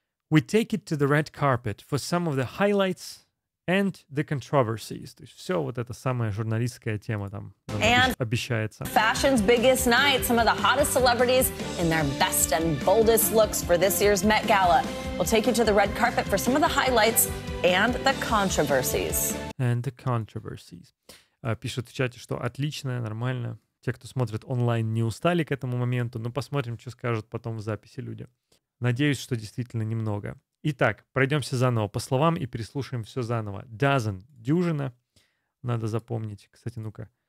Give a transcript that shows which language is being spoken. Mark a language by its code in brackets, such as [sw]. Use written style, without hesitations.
[en] We take it to the red carpet for some of the highlights and the controversies. [ru] То есть все вот это самая журналистская тема там and обещается. [en] Fashion's biggest night, some of the hottest celebrities in their best and boldest looks for this year's Met Gala. We'll take you to the red carpet for some of the highlights and the controversies. And the controversies. [ru] Пишут в чате, что отлично, нормально. Те, кто смотрит онлайн, не устали к этому моменту, но посмотрим, что скажут потом в записи люди. Надеюсь, что действительно немного. Итак, пройдемся заново по словам и переслушаем все заново. Dozen — дюжина. Надо запомнить. Кстати, ну-ка.